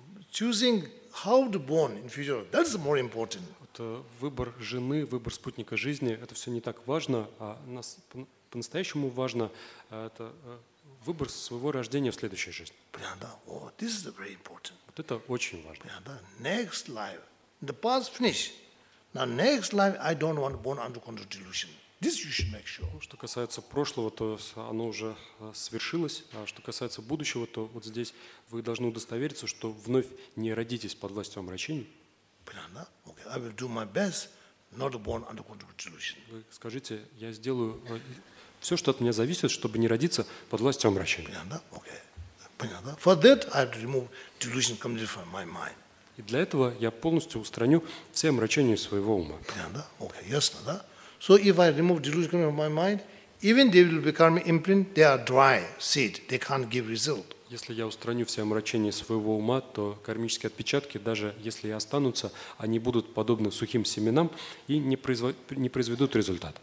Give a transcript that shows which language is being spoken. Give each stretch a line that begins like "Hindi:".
English: Choosing how to born in future, that's more important.
Russian: Это выбор жены, выбор спутника жизни, это все не так важно, а нас по-настоящему важно это выбор своего рождения в следующей жизни.
English: Понятно? Oh, this is very important.
Russian: Вот это очень важно.
English: Понятно? Next life, the past finish. Now next life, I don't want born under control delusion. This you should make sure.
Russian: Что касается прошлого, то оно уже свершилось. А что касается будущего, то вот здесь вы должны удостовериться, что вновь не родитесь под властью омрачений.
English: Понятно? Okay. I will do my best not to born under control delusion.
Russian: Вы скажите, я сделаю все, что от меня зависит, чтобы не родиться под властью омрачений.
English: Понятно? Okay. Понятно? For that I have to remove delusion completely from my mind.
Russian: И для этого я полностью устраню все омрачения своего ума. Понятно? Okay. Ясно, да?
English: So if I remove delusion from my mind, even they will become imprint, they are dry seed, they can't give result.
Russian: Если я устраню все омрачения своего ума, то кармические отпечатки, даже если и останутся, они будут подобны сухим семенам и не произведут результат.